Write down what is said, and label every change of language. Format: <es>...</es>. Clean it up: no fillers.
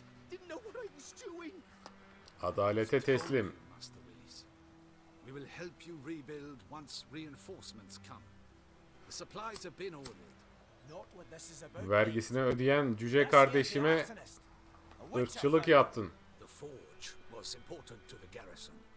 <en>Didn't know what I was doing.</en> <tr>Adalete teslim.</tr> <en>We will help you rebuild once reinforcements come. The supplies have been ordered. Not what this is about.</en> <tr>Vergisini ödeyen cüce kardeşime ırkçılık yaptın.</tr> <en>The forge was important to the garrison.</en>